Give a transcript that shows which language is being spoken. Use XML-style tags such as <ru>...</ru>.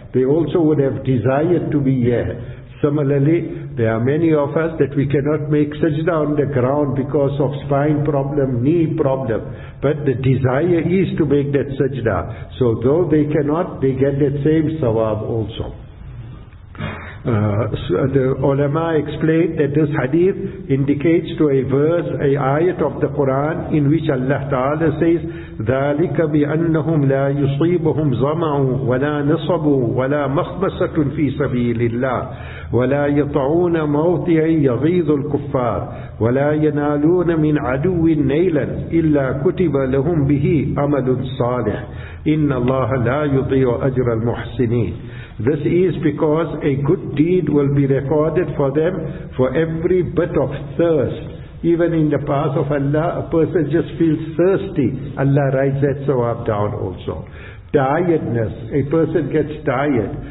<en>They also would have desired to be here. Similarly, there are many of us that we cannot make sajda on the ground because of spine problem, knee problem. But the desire is to make that sajda. So though they cannot, they get that same sawab also. So the ulama explained that this hadith indicates to a verse, a ayat of the Quran, in which Allah Ta'ala says,</en> <ar>ذَلِكَ بِأَنَّهُمْ لَا يُصِيبُهُمْ ظَمَعُ وَلَا نَصَبُ وَلَا مَخْمَسَةٌ فِي سَبِيلِ اللَّهِ وَلَا يَطَعُونَ مَوْطِئًا يَغِيظُ الْكُفَّارِ وَلَا يَنَالُونَ مِنْ عَدُوٍ نَيْلًا إِلَّا كُتِبَ لَهُمْ بِهِ عَمَلٌ صَالِحٌ إِنَّ اللَّهَ لَا يُضِيعُ أَجْرَ الْمُحْسِنِينَ.</ar> <en>This is because a good deed will be recorded for them for every bit of thirst. Even in the path of Allah, a person just feels thirsty. Allah writes that sawab down also. Tiredness, a person gets tired.</en>